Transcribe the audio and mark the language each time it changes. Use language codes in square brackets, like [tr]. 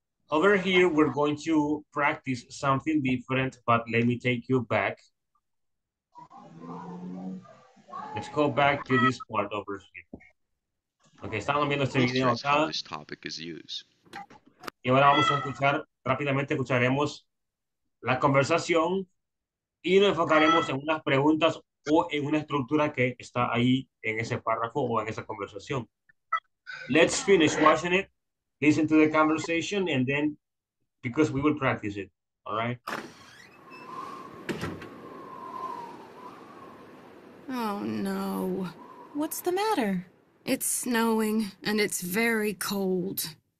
[en] Over here, we're going to practice something different, but let me take you back. Let's go back to this part over here. [es] Okay, estamos viendo este video acá. [en] This topic is used. [es] Y ahora vamos a escuchar, rápidamente escucharemos la conversación y nos enfocaremos en unas preguntas o en una estructura que está ahí en ese párrafo o en esa conversación. [en] Let's finish watching it. Listen to the conversation and then, because we will practice it, all right? Oh no, what's the matter? It's snowing and it's very cold.